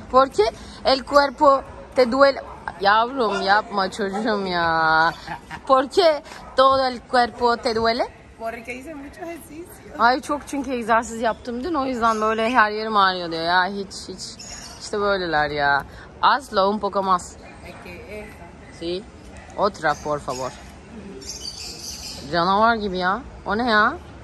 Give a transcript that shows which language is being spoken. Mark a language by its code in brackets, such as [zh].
[es] Porque el cuerpo te duele. [tr] Yavrum yapma çocuğum ya. [es] Porque todo el cuerpo te duele. [tr] Ay çok çünkü egzersiz yaptım dün. O yüzden böyle her yerim ağrıyor diyor ya. Hiç. İşte böyleler ya. [es] Hazlo un poco más. Sí. Otra, por favor. [tr] Canavar gibi ya. O ne ya?